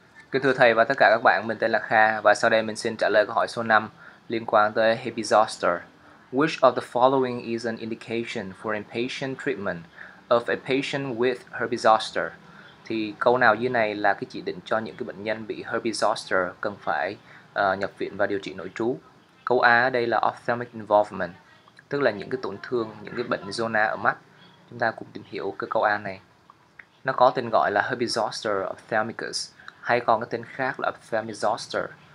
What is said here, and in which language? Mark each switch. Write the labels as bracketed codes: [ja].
[vi] Kính thưa thầy và tất cả các bạn, mình tên là Kha và sau đây mình xin trả lời câu hỏi số 5 liên quan tới Happy Zoster. [en] Which of the following is an indication for inpatient treatment of a patient with Herpes Zoster? [vi] Thì câu nào dưới này là cái chỉ định cho những cái bệnh nhân bị Herpes Zoster cần phải nhập viện và điều trị nội trú? Câu A đây là ophthalmic involvement, tức là những cái tổn thương, những cái bệnh zona ở mắt. Chúng ta cùng tìm hiểu cái câu A này. Nó có tên gọi là Herpes Zoster ophthalmicus, hay còn cái tên khác là ophthalmic zoster.